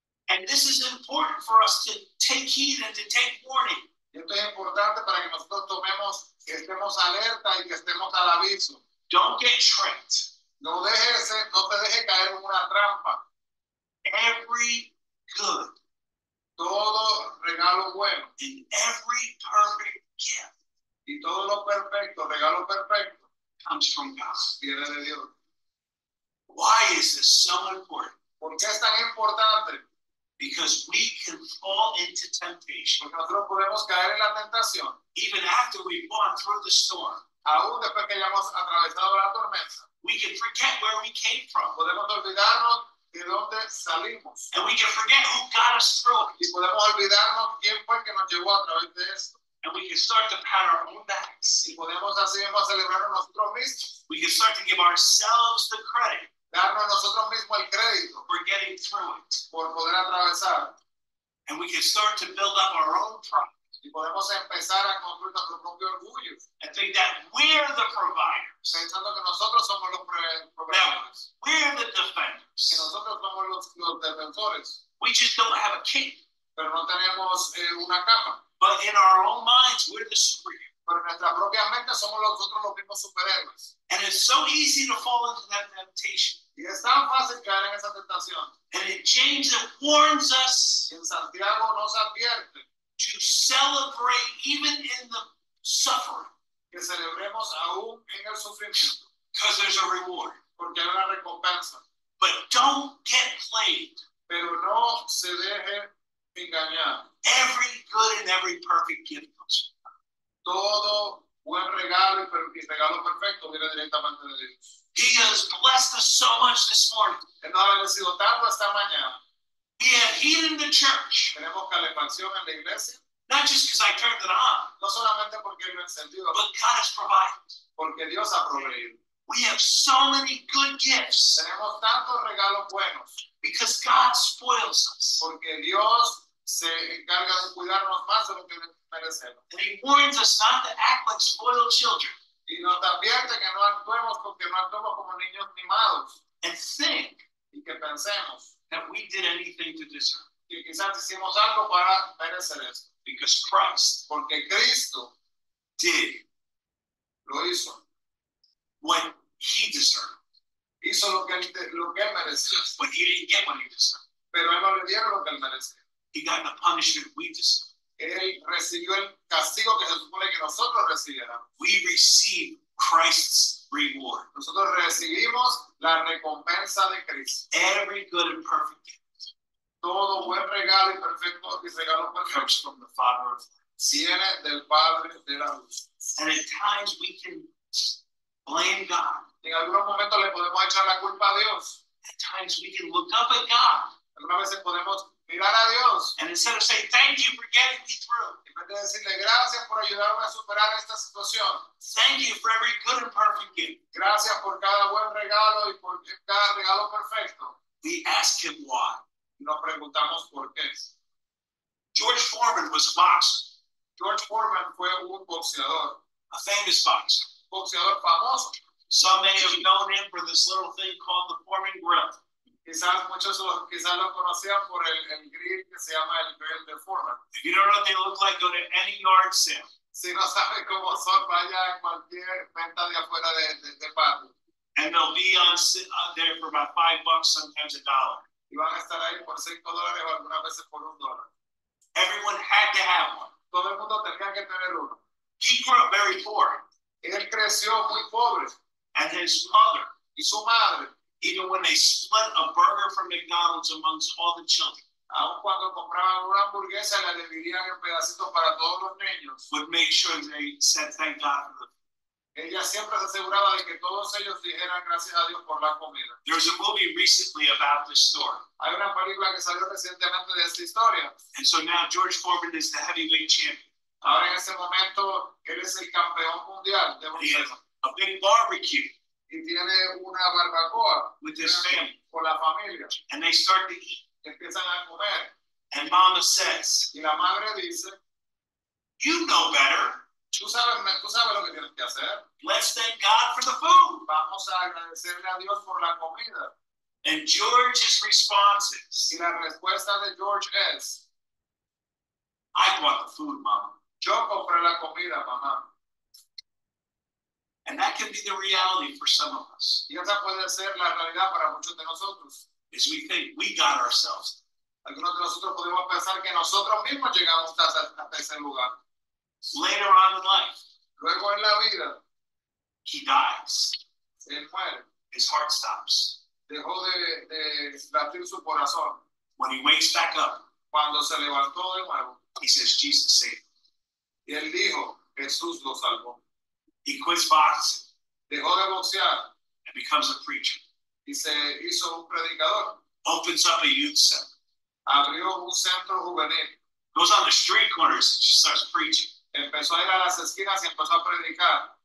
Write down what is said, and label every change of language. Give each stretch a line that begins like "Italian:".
English: And this is important for us to take heed and to take warning.
Spanish: Esto es importante para que nosotros tomemos, que estemos alerta y que estemos al aviso.
English: Don't get tricked.
Spanish: No dejes, no te deje caer en una trampa.
English: Every good.
Spanish: Todo regalo bueno.
English: And every perfect gift.
Spanish: Y todo lo perfecto, regalo perfecto.
English: Comes from God.
Spanish: Viene de Dios.
English: Why is this so important?
Spanish: ¿Por qué es tan importante?
English: Because we can fall into temptation.
Spanish: Porque nosotros podemos caer en la tentación.
English: Even after we've gone through the storm.
Spanish: Aún después que hayamos atravesado la tormenta.
English: We can forget where we came from.
Spanish: Podemos olvidarnos de dónde salimos.
English: And we can forget who got us through.
Spanish: Y podemos olvidarnos quién fue que nos llevó a través de esto.
English: And we can start to pat our own backs.
Spanish: Y podemos así mismo celebrarnos nosotros mismos.
English: We can start to give ourselves the credit.
Spanish: Darnos nosotros mismos el crédito.
English: For getting through it.
Spanish: Por poder atravesar.
English: And we can start to build up our own pride.
Spanish: Y podemos empezar a construir nuestro propio orgullo.
English: And think that we're the providers.
Spanish: Pensando que nosotros somos los proveedores.
English: We're the defenders.
Spanish: Que nosotros somos los defensores.
English: We just don't have a cape.
Spanish: Pero no tenemos una capa.
English: But in our own minds, we're the superheroes.
Spanish: Pero en nuestra propia mente somos nosotros los mismos superhéroes.
English: And it's so easy to fall into that temptation.
Spanish: Y es tan fácil caer en esa tentación.
English: And in James it warns us.
Spanish: En Santiago nos advierte.
English: To celebrate even in the suffering.
Spanish: Que celebremos aún en el sufrimiento.
English: Because there's a reward.
Spanish: Porque hay una recompensa.
English: But don't get played.
Spanish: Pero no se deje engañar.
English: Every good and every perfect gift comes from God.
Spanish: Todo buen regalo y regalo perfecto viene directamente de Dios.
English: He has blessed us so much this morning.
Spanish: Él nos ha bendecido tanto esta mañana.
English: We have heat in the church.
Spanish: ¿Tenemos calefacción en la iglesia?
English: Not just because I turned it on.
Spanish: No solamente porque lo he encendido.
English: But God has provided.
Spanish: Porque Dios ha proveído.
English: We have so many good gifts.
Spanish: Tenemos tantos regalos buenos.
English: Because God spoils us.
Spanish: Porque Dios se encarga de cuidarnos más de lo que merecemos.
English: And He warns us not to act like spoiled children.
Spanish: Y nos advierte que no actuemos porque no actuemos como niños mimados.
English: And think.
Spanish: Y que pensemos.
English: That we did anything to deserve.
Spanish: Que quizás hicimos algo para merecer esto.
English: Because Christ.
Spanish: Porque Cristo.
English: Did.
Spanish: Lo hizo.
English: What he deserved.
Spanish: Hizo lo que él merecía.
English: But he didn't get what he deserved.
Spanish: Pero él no le dieron lo que él merecía.
English: He got the punishment we deserve.
Spanish: Él recibió el castigo que se supone que nosotros recibiéramos.
English: We receive Christ's reward.
Spanish: Nosotros recibimos la recompensa de Cristo.
English: Every good and perfect gift.
Spanish: Todo buen regalo y perfecto y regalo perfecto.
English: Comes from the Father of
Spanish: Lights. Viene del Padre de la Luz.
English: And at times we can blame God.
Spanish: En algunos momentos le podemos echar la culpa a Dios.
English: At times we can look up at God.
Spanish: Algunas veces podemos mirar a Dios.
English: And instead of saying thank you for getting me through.
Spanish: En vez de decirle gracias por ayudarme a superar esta situación.
English: Thank you for every good and perfect gift.
Spanish: Gracias por cada buen regalo y por cada regalo perfecto.
English: We ask him why.
Spanish: Nos preguntamos por qué.
English: George Foreman was a boxer.
Spanish: George Foreman fue un boxeador.
English: A famous boxer.
Spanish: Un boxeador famoso.
English: Some may have known him for this little thing called the Foreman grill.
Spanish: Quizás muchos quizás lo conocían por el grill que se llama el grill de Foreman.
English: If you don't know what they look like, go to any yard sale.
Spanish: Si no sabe cómo son, vaya a cualquier venta de afuera de barrio.
English: And they'll be on there for about $5, sometimes a dollar.
Spanish: Y van a estar ahí por $5 o algunas veces por $1.
English: Everyone had to have one.
Spanish: Todo el mundo tenía que tener uno.
English: He grew up very poor.
Spanish: Él creció muy pobre.
English: And his mother,
Spanish: y su madre,
English: even when they split a burger from McDonald's amongst all the children,
Spanish: aun cuando compraban una hamburguesa, la dividían en pedacitos para todos los niños,
English: would make sure they said thank God for them.
Spanish: Ella siempre se aseguraba de que todos ellos dijeran gracias a Dios por la comida.
English: There's a movie recently about this story.
Spanish: Hay una película que salió recientemente de esta historia.
English: And so now George Foreman is the heavyweight champion.
Spanish: Ahora en ese momento, él es el campeón mundial de boxeo.
English: A big barbecue.
Spanish: Y tiene una barbacoa.
English: With his family.
Spanish: Con la familia.
English: And they start to eat.
Spanish: Empiezan a comer.
English: And mama says.
Spanish: Y la madre dice.
English: You know better.
Spanish: Tú sabes lo que tienes que hacer.
English: Let's thank God for the food.
Spanish: Vamos a agradecerle a Dios por la comida.
English: And George's response is.
Spanish: Y la respuesta de George es.
English: I bought the food, mama.
Spanish: Yo compré la comida, mamá.
English: And that can be the reality for some of us.
Spanish: Y esa puede ser la realidad para muchos de nosotros.
English: As we think, we got ourselves.
Spanish: Algunos de nosotros podemos pensar que nosotros mismos llegamos hasta ese lugar.
English: Later on in life.
Spanish: Luego en la vida.
English: He dies.
Spanish: Él muere.
English: His heart stops.
Spanish: Dejó de latir su corazón.
English: When he wakes back up.
Spanish: Cuando se levantó de nuevo.
English: He says, Jesus saved.
Spanish: Y él dijo, Jesús lo salvó.
English: He quits boxing.
Spanish: Dejó de boxear.
English: And becomes a preacher.
Spanish: Y se hizo un predicador.
English: Opens up a youth center.
Spanish: Abrió un centro juvenil.
English: Goes on the street corners and starts preaching.
Spanish: Empezó a ir a las esquinas y empezó a predicar.